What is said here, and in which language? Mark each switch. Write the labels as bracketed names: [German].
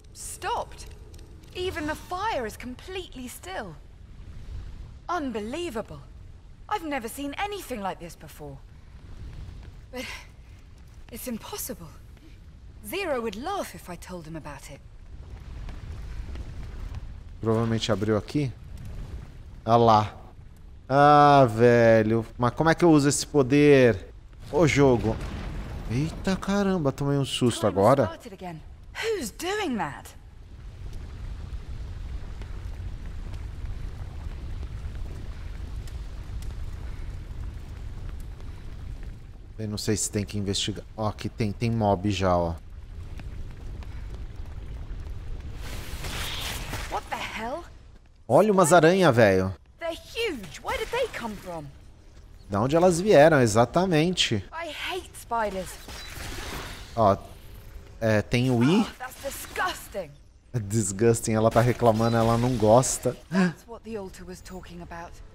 [English] Stopped. Even the fire is completely still. Unbelievable. I've never seen anything like this before. But it's impossible. Zero would laugh if I told him about it. [Portuguese] Provavelmente abriu aqui. Ah lá. Ah, velho. Mas como é que eu uso esse poder? Ô, jogo. Eita, caramba, tomei um susto agora. [English] Who's doing that? [Portuguese] Eu não sei se tem que investigar. Ó, oh, aqui tem, tem mob já, ó. [English] What the hell? [Portuguese] Olha umas aranhas, velho. [English] They're huge. Where did they come from? [Portuguese] Da onde elas vieram, exatamente. [English] I hate spiders. [Portuguese] Ó, é, tem o I. [English] Oh, that's disgusting. Disgusting, [Portuguese] ela tá reclamando, ela não gosta. [English] That's what the altar was talking about.